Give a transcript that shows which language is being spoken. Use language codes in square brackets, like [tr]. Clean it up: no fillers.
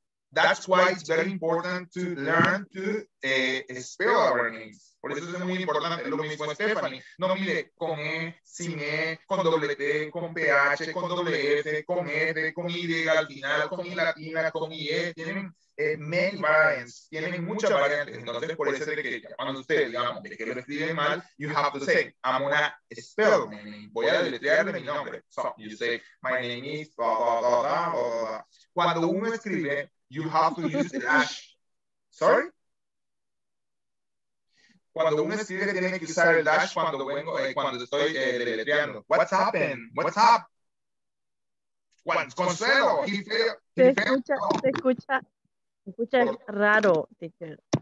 [en] That's why it's very important to learn to spell our names. [es] Por eso es muy importante, lo mismo Stephanie. No, mire, con E, sin E, con doble T, con PH, con doble F, con F, con Y al final, con I latina, con IE. Tienen [en] many variants. [es] Tienen muchas variantes. Entonces, por eso es que cuando usted, digamos, de que lo escriben mal, [en] you have to say, I'm gonna spell my name. [es] Voy a deletrearle mi nombre. [en] So, you say, my name is blah, blah, blah, blah, blah, blah. [es] Cuando uno escribe, [en] you have to use the dash. Sorry? [es] Cuando uno escribe tiene que usar el dash cuando vengo cuando estoy deletreando. [en] What's happened? What's up? Consuelo, [es] se escucha raro, teacher.